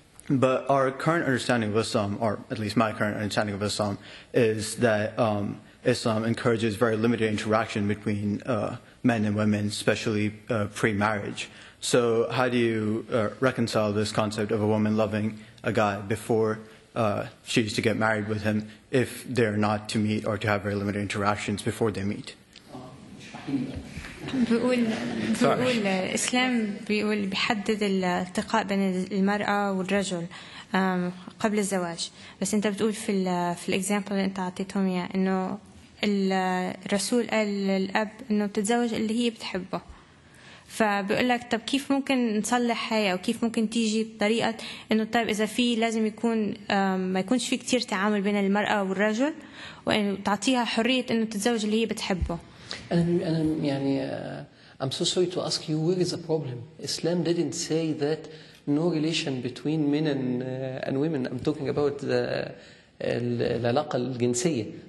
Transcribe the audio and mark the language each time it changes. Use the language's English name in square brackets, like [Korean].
[English] But our current understanding of Islam, or at least my current understanding of Islam, is that Islam encourages very limited interaction between men and women, especially pre-marriage. So how do you reconcile this concept of a woman loving a guy before she's to get married with him if they're not to meet or to have very limited interactions before they meet? [Arabic] بيقول الإسلام بيقول بيحدد الالتقاء بين المرأة والرجل قبل الزواج. بس أنت بتقول في الإكزامبل اللي أنت عطيتهم إياه إنه الرسول قال للأب إنه تتزوج اللي هي بتحبه. فبيقول لك طب كيف ممكن نصلح هاي أو كيف ممكن تيجي بطريقة إنه طيب إذا في لازم يكون ما يكونش في كتير تعامل بين المرأة والرجل وتعطيها حرية إنه تتزوج اللي هي بتحبه. أنا يعني [English] I'm so sorry to ask you, where is the problem? Islam didn't say that no relation between men and women. I'm talking about [Arabic] العلاقة الجنسية.